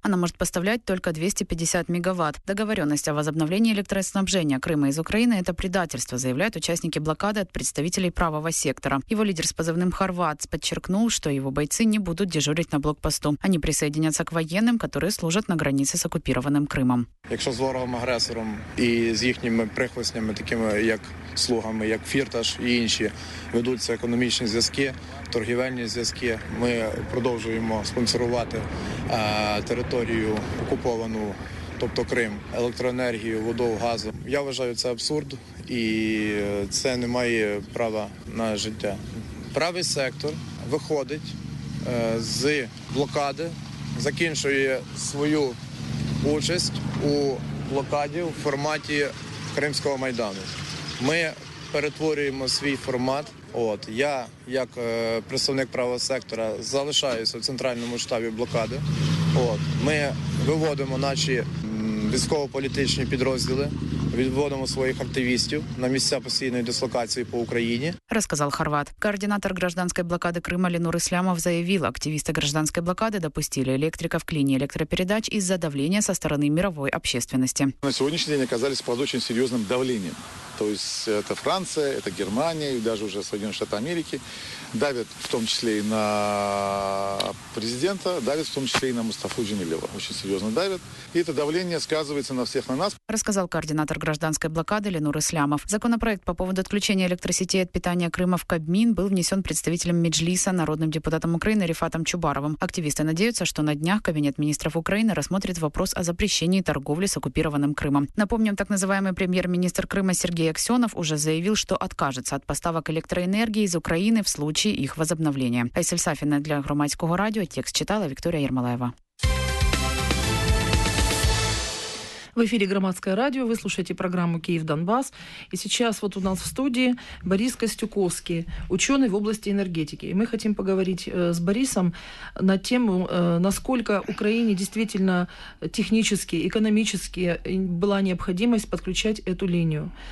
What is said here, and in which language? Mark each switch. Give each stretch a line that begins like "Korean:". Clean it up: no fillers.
Russian: Она может поставлять только 250 мегаватт. Договоренность о возобновлении электроснабжения Крыма из Украины – это предательство, заявляют участники блокады от представителей правого сектора. Его лидер с позывным «Хорват» подчеркнул, что его бойцы не будут дежурить на блокпосту. Они присоединятся к военным, которые служат на границе с оккупированным Крымом. Если с ворогом-агрессором и с их прихвостнями, такими как слугами, как Фірташ и другие,
Ukrainian: ведуться економічні зв'язки, торгівельні зв'язки. Ми продовжуємо спонсорувати територію окуповану, тобто Крим, електроенергію, воду, газу. Я вважаю, це абсурд, і це не має права на життя. Правий сектор виходить з блокади, закінчує свою участь у блокаді в форматі Кримського Майдану. Ми перетворюємо свій формат. Я, як представник правого сектора, залишаюся в центральному штабі блокади. Ми виводимо наші військово-політичні підрозділи відводимо своїх активістів на місця постійної дислокації по Україні. Розказав хорват.
Russian: Координатор гражданской блокады Крыма Ленур Ислямов заявил, активисты гражданской блокады допустили электриков к линии электропередач из-за давления со стороны мировой общественности. На сегодняшний день оказались под очень серьезным давлением. То есть это Франция, это Германия и даже уже Соединенные Штаты Америки давят в том числе и на президента, давят в том числе и на Мустафу Джемилева. Очень серьезно давят. И это давление сказывается на всех на нас. Рассказал координатор гражданской блокады Ленур Ислямов. Законопроект по поводу отключения электросетей от питания Крыма в Кабмин был внесен представителем Меджлиса, народным депутатом Украины Рифатом Чубаровым. Активисты надеются, что на днях Кабинет министров Украины рассмотрит вопрос о запрещении торговли с оккупированным Крымом. Напомним, так называемый премьер-министр Крыма Сергей Аксенов уже заявил, что откажется от поставок электроэнергии из Украины в случае их возобновления.
Ukrainian: Айсель Сафіна для Громадського радіо. Текст читала Вікторія Єрмолаєва.
Russian: В эфире Громадское радио. Вы слушаете программу «Киев-Донбасс». И сейчас вот у нас в студии Борис Костюковский, ученый в области энергетики. И мы хотим поговорить с Борисом на тему, насколько Украине действительно технически, экономически была необходимость подключать эту линию.